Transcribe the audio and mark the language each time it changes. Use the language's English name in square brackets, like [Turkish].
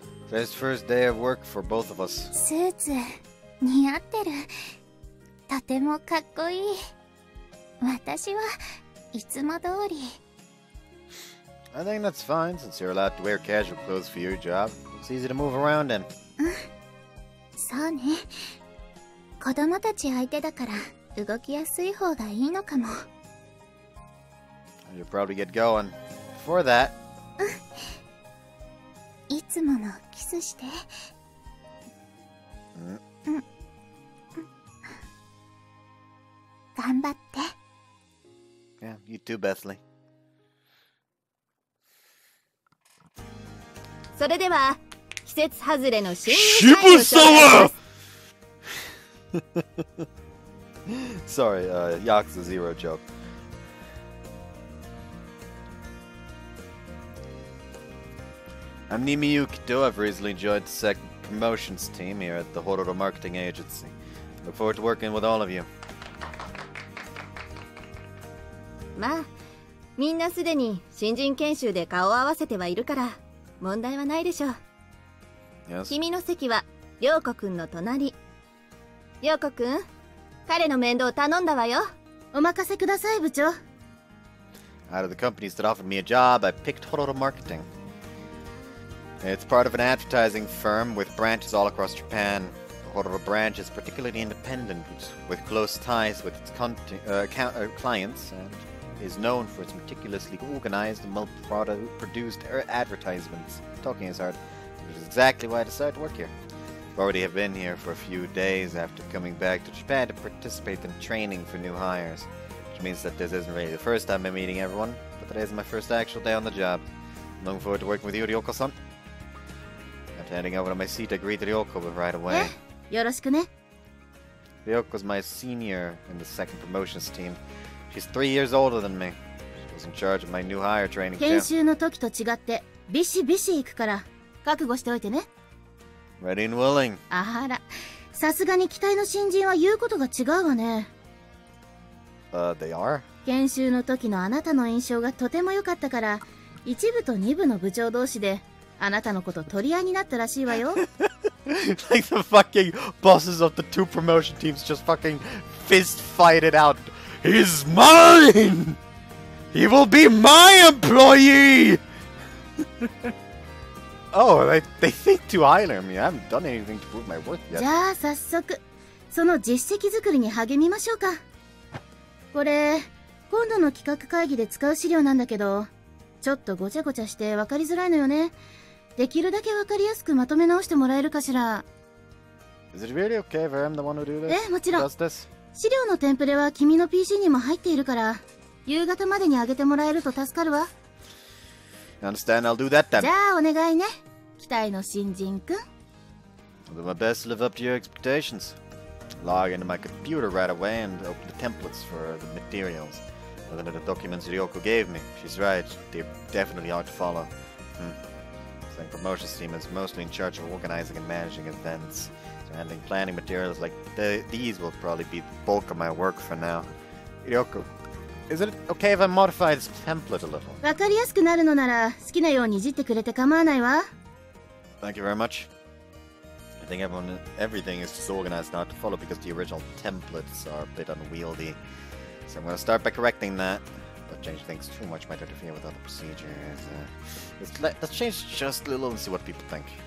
[English] It's the first day of work for both of us. [Japanese] Suits, 似合ってる。とてもかっこいい。私はいつも通り。 [English] I think that's fine, since you're allowed to wear casual clothes for your job. It's easy to move around in. [Japanese] そうね。子供たち相手だから動きやすい方がいいのかも。 [English] You'll probably get going. Before that. [Japanese] いつものキスして。頑張って。 [English] Yeah, you too, Bethly. [Japanese] それでは、季節外れの新入社員です。渋沢 [English] Sorry, Yakuza Zero joke. I'm Nimiyu Kido. I've recently joined the SEC promotions team here at the Hororo Marketing Agency. Look forward to working with all of you. [Japanese] まあ、みんなすでに新人研修で顔を合わせてはいるから問題はないでしょう。 [English] Yes. [Japanese] 君の席は涼子くんの隣。涼子くん、彼の面倒を頼んだわよ。お任せください、部長。 [English] Out of the companies that offered me a job, I picked Hororo Marketing. It's part of an advertising firm with branches all across Japan. The Hororo branch is particularly independent, with close ties with its clients and... is known for its meticulously organized and well-produced advertisements. Talking is hard, which is exactly why I decided to work here. I've already been here for a few days after coming back to Japan to participate in training for new hires, which means that this isn't really the first time I'm meeting everyone, but today is my first actual day on the job. I'm looking forward to working with you, Ryoko-san. After handing over to my seat, I greet Ryoko right away. [Japanese] Yoroshiku ne. [English] Ryoko's my senior in the second promotions team. She's 3 years older than me. She was in charge of my new hire training [Japanese] camp. 研修の時と違ってビシビシ行くから覚悟しておいてね。 [English] Ready and willing. [Japanese] あら、さすがに期待の新人は言うことが違うわね。 [English] They are? [Japanese] 研修の時のあなたの印象がとても良かったから、一部と二部の部長同士であなたのこと取り合いになったらしいわよ。 [English] Like the fucking bosses of the two promotion teams just fucking fist fight it out. He's mine! He will be my employee! Oh, they think too highly of me. I haven't done anything to prove my worth yet. [Japanese] じゃあ早速、その実績作りに励みましょうか。これ、今度の企画会議で使う資料なんだけど、ちょっとごちゃごちゃして分かりづらいのよね。できるだけ分かりやすくまとめ直してもらえるかしら。 [English] Is it really okay if I'm the one who do this? [Japanese] え、もちろん。資料のテンプレは君の PC にも入っているから、夕方までに上げてもらえると助かるわ。 [English] Understand, I'll do that then. [Japanese] じゃあお願いね、期待の新人くん。 [English] I'll do my best to live up to your expectations. Log into my computer right away and open the templates for the materials. Look at the documents Ryoko gave me. She's right, they're definitely hard to follow. The promotions team is mostly in charge of organizing and managing events. Handling planning materials like these will probably be the bulk of my work for now. Ryoko, is it okay if I modify this template a little? [Japanese] 分かりやすくなるのなら好きなようにいじってくれて構わないわ。 [English] Thank you very much. I think everything is disorganized now to follow because the original templates are a bit unwieldy. So I'm going to start by correcting that. But changing things too much might interfere with other procedures. Let's change just a little and see what people think.